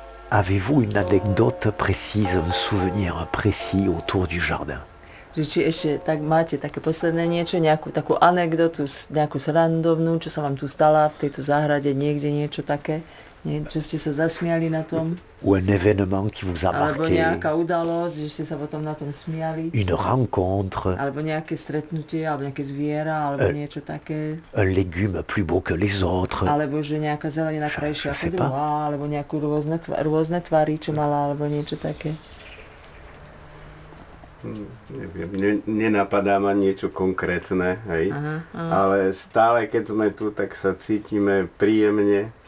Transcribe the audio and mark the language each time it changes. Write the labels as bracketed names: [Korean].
[French] Avez-vous une anecdote précise, un souvenir précis autour du jardin? [Slovak] Či ešte tak máte také posledné niečo, nejakú takú anekdotu, nejakú srandovnú, čo sa vám tu stala v tejto záhrade, niekde niečo také, niečo ste sa zasmiali na tom? [French] Ou un événement qui vous a marqué? [Slovak] Alebo nejaká udalosť, že ste sa potom na tom smiali? [French] Une rencontre? [Slovak] Alebo nejaké stretnutie, alebo nejaké zviera, alebo niečo také? [French] Un légume plus beau que les autres? [Slovak] Alebo že nejaká zelenina krajšia ako druhá, alebo nejakú rôzne tvary, čo mala, alebo niečo také? Neviem, nenapadá ma niečo konkrétne, hej. Aha, aha. Ale stále, keď sme tu, tak sa cítime príjemne.